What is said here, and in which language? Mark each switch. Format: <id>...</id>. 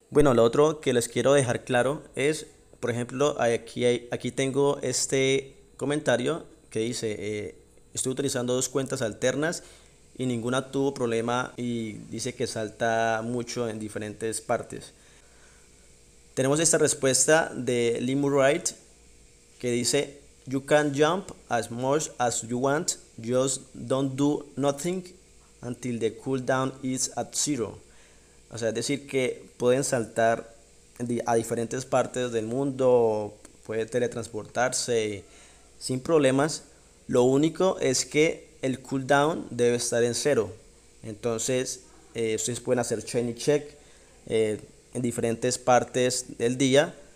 <es>Bueno, lo otro que les quiero dejar claro es, por ejemplo, aquí tengo este comentario que dice, estoy utilizando dos cuentas alternas y ninguna tuvo problema, y dice que salta mucho en diferentes partes. Tenemos esta respuesta de Limurite que dice,</es> <en>you can jump as much as you want, just don't do nothing until the cooldown is at zero.</en> <es>O sea, es decir que pueden saltar a diferentes partes del mundo, puede teletransportarse sin problemas. Lo único es que el cooldown debe estar en cero. Entonces, ustedes pueden hacer chain check en diferentes partes del día.</es>